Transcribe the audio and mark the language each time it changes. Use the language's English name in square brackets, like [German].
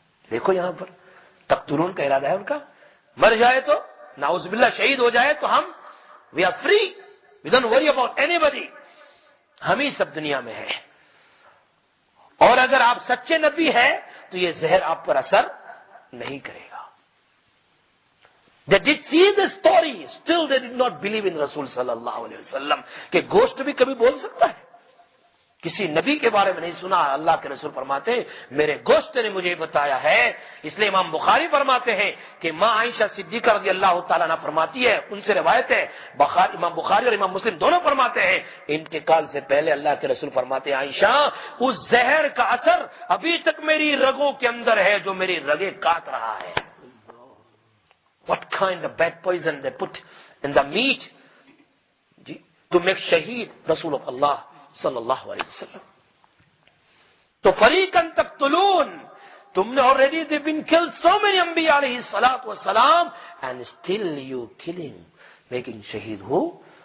[Urdu] دیکھو یہاں پر تقتلون کا ارادہ ہے ان کا, مر جائے تو, نعوذ باللہ شہید ہو جائے تو ہم [English] we are free, we don't worry about anybody, [Urdu] ہم ہی سب دنیا میں ہیں. اور اگر آپ سچے نبی ہیں تو یہ زہر آپ پر اثر نہیں کرے گا. [English] They did see the story, still they did not believe in Rasul sallallahu alayhi wa sallam. [Urdu] کہ گوشت بھی کبھی بول سکتا ہے, کسی نبی کے بارے میں نہیں سنا. اللہ کے رسول فرماتے ہیں میرے گوشت نے مجھے بتایا ہے. اس لیے امام بخاری فرماتے ہیں کہ ماں عائشہ صدیقہ رضی اللہ تعالیٰ نہ فرماتی ہے, ان سے روایت ہے, امام بخاری اور امام مسلم دونوں فرماتے ہیں, انتقال سے پہلے اللہ کے رسول فرماتے ہیں عائشہ اس زہر کا اثر ابھی تک میری رگوں کے اندر ہے جو میری رگیں کاٹ رہا ہے. [English] What kind of bad poison they put in the meat to make shaheed Rasul of Allah sallallahu alayhi wa sallam. To [Arabic] fariqan taqtuloon, [Urdu] tumne [English] already they've been killed so many anbiya alayhi salatu wa salam, and still you killing, making shaheed who?